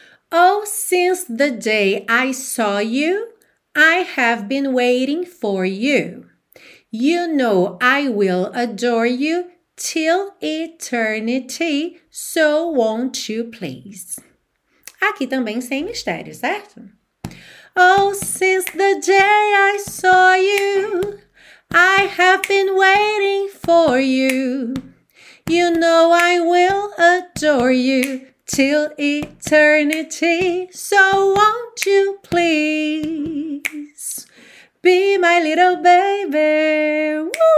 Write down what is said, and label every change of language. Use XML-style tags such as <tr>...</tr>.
<en>Oh, since the day I saw you, I have been waiting for you. You know I will adore you till eternity, so won't you please?</en> <pt>Aqui também sem mistério, certo?</pt> <en>Oh, since the day I saw you, I have been waiting for you. You know I will adore you. Till eternity, so won't you please be my little baby?</en>